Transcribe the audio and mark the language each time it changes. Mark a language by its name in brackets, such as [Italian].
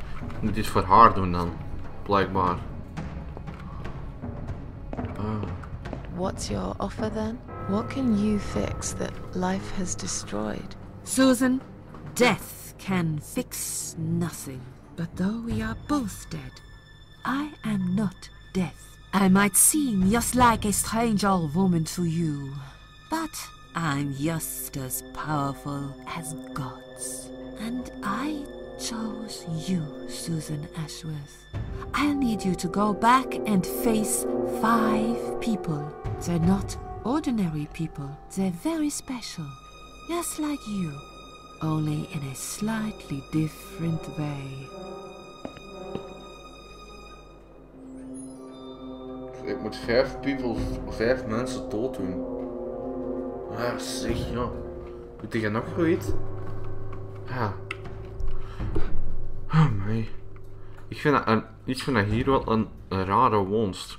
[Dutch] Ik moet iets voor haar doen dan, blijkbaar. [English] What's your offer then? What can you fix that life has destroyed? Susan, death can fix nothing. But though we are both dead, I am not death. I might seem just like a strange old woman to you, but I'm just as powerful as gods. And I chose you, Susan Ashworth. I'll need you to go back and face 5 people. They're not ordinary people. They're very special. Just like you, only in a slightly different way. [Dutch] Ik moet 5 mensen dood doen. Ah, zeg, ja. Moet ik er nog iets? Ja. [English] Oh, my. [Dutch] Ik vind dat hier wel een rare wonst.